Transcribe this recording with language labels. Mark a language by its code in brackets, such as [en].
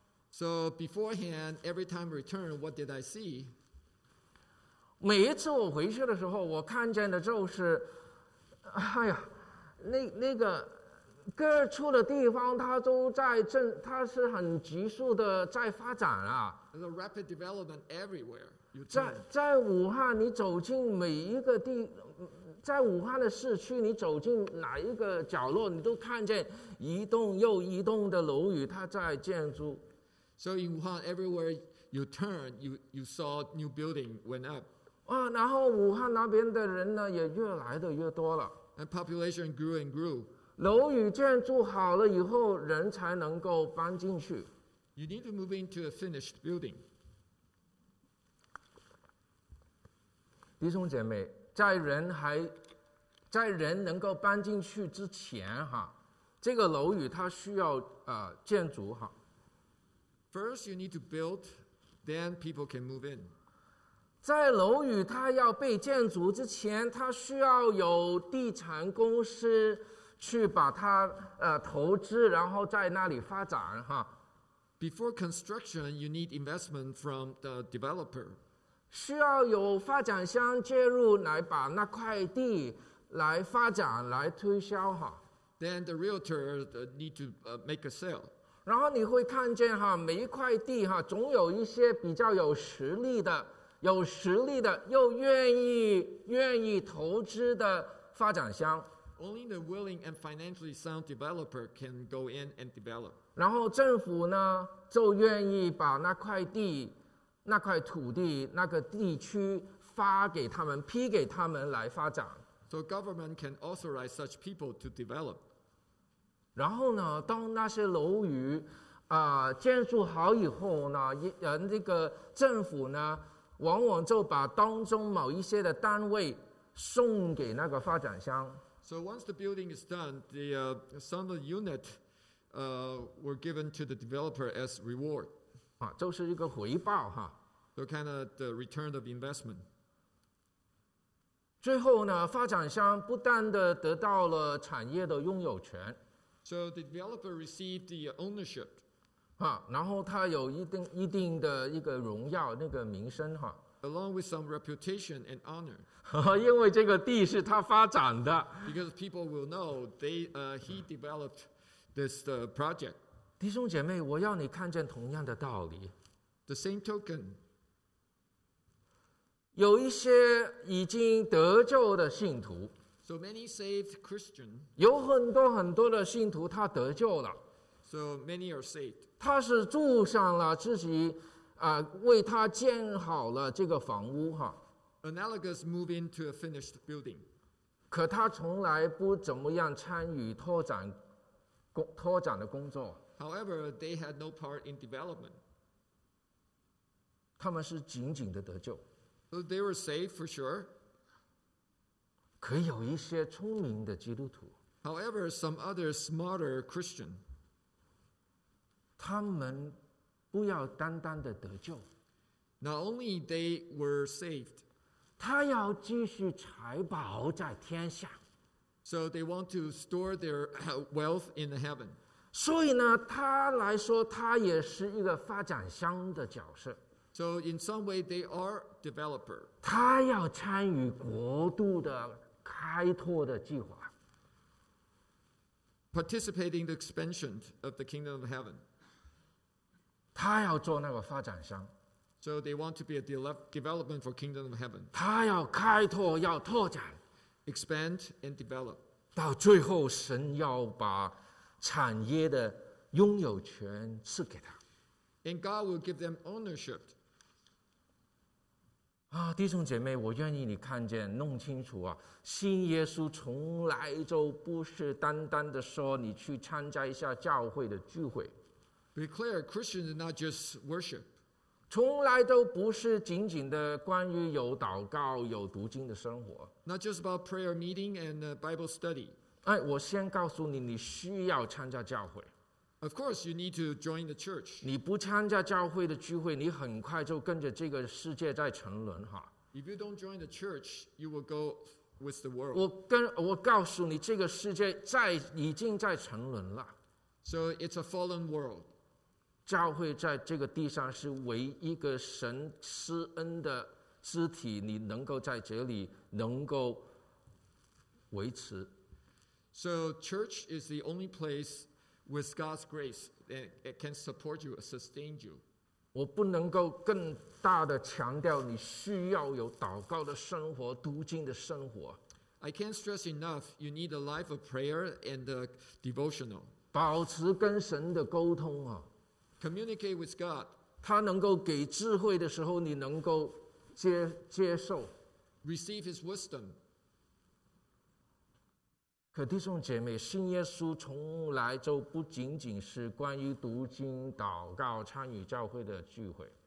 [en] ？So beforehand, every time return, what did I see? [zh] 每一次我回去的时候，我看见的就是，哎呀，那个各处的地方，它是很急速的在发展啊。 [en] The rapid development everywhere. [zh] 在武汉，你走进每一个地，在武汉的市区，你走进哪一个角落，你都看见一栋又一栋的楼宇，它在建筑。 [en] So in Wuhan, everywhere you turn, you saw new building went up. [zh] 然后武汉那边的人呢也越来的越多了。 [en] And population grew and grew. [zh] 楼宇建筑好了以后，人才能够搬进去。 [en] You need to move into a finished building. [zh] 弟兄姐妹，在人能够搬进去之前哈，这个楼宇它需要建筑哈。 [en] First you need to build, then people can move in. [zh] 在楼宇它要被建筑之前，它需要有地产公司去把它投资，然后在那里发展哈。 [en] Before construction, you need investment from the developer. [zh] 需要有发展商介入来把那块地来发展来推销哈。 [en] Then the realtor need to make a sale. [zh] 然后你会看见哈，每一块地哈，总有一些比较有实力的。有实力的又愿意投资的发展商。 [en] Only the willing and financially sound developer can go in and develop. [zh] 然后政府呢就愿意把那块土地那个地区发给他们，批给他们来发展。 [en] So government can authorize such people to develop. [zh] 然后呢当那些楼宇建筑好以后呢，这个政府呢往往就把当中某一些的单位送给那个发展商。 [en] So once the building is done, the some of the unit were given to the developer as reward. [zh] 就是一个回报哈。 [en] So kind of the return of investment. [zh] 最后呢，发展商不但的得到了产业的拥有权。 [en] So the developer received the ownership. [zh] 然后他有一定的一个荣耀，那个名声哈。 [en] Along with some reputation and honor. [zh] 因为这个地是他发展的。 [en] Because people will know he developed this project. [zh] 弟兄姐妹，我要你看见同样的道理。 [en] The same token. [zh] 有一些已经得救的信徒。 [en] So many saved Christian. [zh] 有很多很多的信徒他得救了。 [en] So many are saved. [zh] 他是住上了自己为他建好了这个房屋哈。 [en] Analogous move into a finished building. [zh] 可他从来不怎么样参与拓展的工作。 [en] However, they had no part in development. [zh] 他们是紧紧的得救。 [en] So they were saved for sure. [zh] 可有一些聪明的基督徒。 [en] However, some other smarter Christian. [zh] 他们不要单单的得救。 [en] Not only they were saved. [zh] 他要继续财宝在天下。 [en] So they want to store their wealth in heaven. [zh] 所以呢，他来说，他也是一个发展商的角色。 [en] So in some way they are developer. [zh] 他要参与国度的开拓的计划。 [en] Participating the expansion of the kingdom of heaven. [zh] 他要做那个发展商。 [en] So they want to be a development for kingdom of heaven. [zh] 他要开拓，要拓展。 [en] Expand and develop. [zh] 到最后，神要把产业的拥有权赐给他。 [en] And God will give them ownership. [zh] 啊，弟兄姐妹，我愿意你看见，弄清楚啊，信耶稣从来就不是单单的说你去参加一下教会的聚会。 [en] Be clear, Christians are not just worship. [zh] 从来都不是仅仅的关于有祷告、有读经的生活。 [en] Not just about prayer meeting and Bible study. [zh] 哎，我先告诉你，你需要参加教会。 [en] Of course, you need to join the church. [zh] 你不参加教会的聚会，你很快就跟着这个世界在沉沦哈。 [en] If you don't join the church, you will go with the world. [zh] 我告诉你，这个世界已经在沉沦了。 [en] So it's a fallen world. [zh] 教会在这个地上是唯一个神施恩的肢体，你能够在这里能够维持。 [en] So church is the only place with God's grace that it can support you, sustain you. [zh] 我不能够更大的强调你需要有祷告的生活、读经的生活。 [en] I can't stress enough, you need a life of prayer and devotional. [zh] 保持跟神的沟通啊。 [en] Communicate with God. [zh] 他能够给智慧的时候，你能够接受 [en] receive his wisdom. [zh] 可弟兄姐妹，信耶稣从来就不仅仅是关于读经、祷告、参与教会的聚会。